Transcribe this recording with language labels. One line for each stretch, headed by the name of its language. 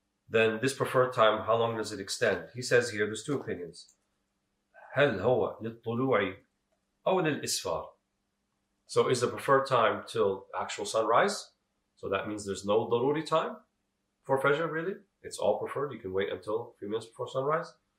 English: Then this preferred time, how long does it extend? He says here, there's two opinions.
Arabic: هل هو للطلوعي أو للإسفار?
English: So is the preferred time till actual sunrise? So that means there's no ضروري time for Fajr, really. It's all preferred. You can wait until a few minutes before sunrise.